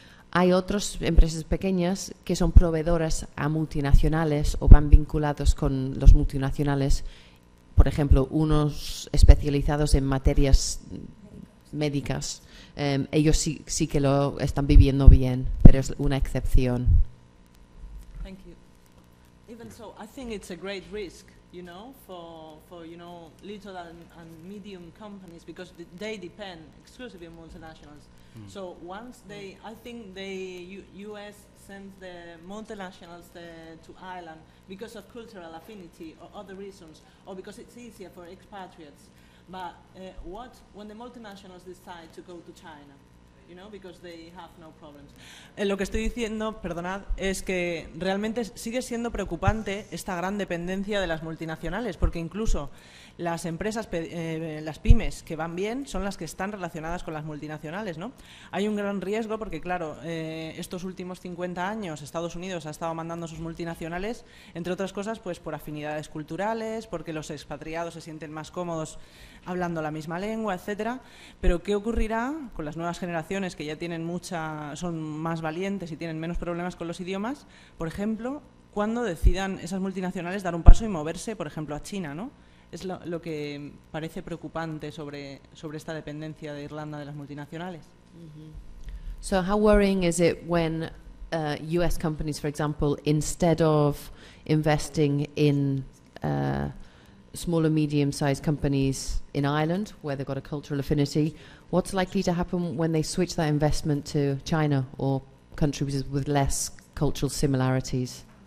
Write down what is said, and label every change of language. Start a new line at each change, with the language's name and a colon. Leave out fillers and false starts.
Spanish: Hay otras empresas pequeñas que son proveedoras a multinacionales o van vinculados con los multinacionales, por ejemplo, unos especializados en materias médicas. Ellos sí que lo están viviendo bien, pero es una excepción.
English: Thank you. Even so, I think it's a great risk, you know, for you know, little and medium companies, because they depend exclusively on multinationals. So once they, I think the U.S. sends the multinationals to Ireland because of cultural affinity or other reasons, or because it's easier for expatriates. But what when the multinationals decide to go to China? you know, because they have no problems.
Spanish: Lo que estoy diciendo, perdonad, es que realmente sigue siendo preocupante esta gran dependencia de las multinacionales, porque incluso las empresas, las pymes que van bien son las que están relacionadas con las multinacionales, ¿no? Hay un gran riesgo porque, claro, estos últimos 50 años Estados Unidos ha estado mandando sus multinacionales, entre otras cosas, pues por afinidades culturales, porque los expatriados se sienten más cómodos hablando la misma lengua, etcétera. Pero ¿qué ocurrirá con las nuevas generaciones que ya tienen mucha, son más valientes y tienen menos problemas con los idiomas? Por ejemplo, ¿cuándo decidan esas multinacionales dar un paso y moverse, por ejemplo, a China, ¿no? Es lo que parece preocupante sobre esta dependencia de Irlanda de las multinacionales. Mm-hmm.
English: So how worrying is it when US companies, for example, instead of investing in small or medium-sized companies in Ireland, where they've got a cultural affinity, what's likely to happen when they switch that investment to China or countries with less cultural similarities?